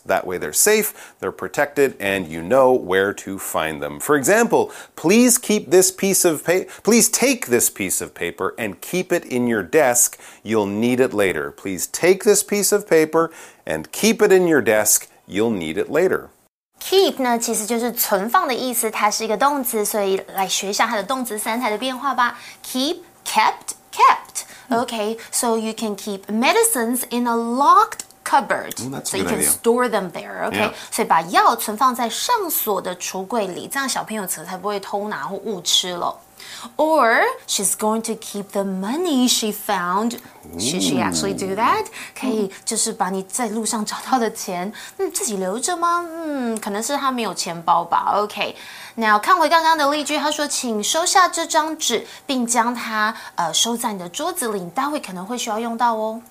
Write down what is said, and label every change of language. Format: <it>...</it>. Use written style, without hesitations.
<en>That way they're safe, they're protected, and you know where to find them. For example, please keep this piece of paper, please take this piece of paper and keep it in your desk. You'll need it later. Please take this piece of paper and keep it in your desk. You'll need it later.</en> <zh>Keep 呢其实就是存放的意思，它是一个动词，所以来学一下它的动词三态的变化吧。</zh> <en>Keep, kept, kept. Okay, so you can keep medicines in a locked cupboard. That's a good idea. So you can store them there, okay? Yeah.</en> <zh>所以把药存放在上锁的橱柜里，这样小朋友才不会偷拿或误吃了。</zh> <en>Or she's going to keep the money she found. Should she actually do that?</en> <zh>可以就是把你在路上找到的钱，自己留着吗？可能是她没有钱包吧。</zh> <en>Okay, now</en> <zh>看回刚刚的例句，她说请收下这张纸，并将它收在你的桌子里，你待会可能会需要用到哦。</zh>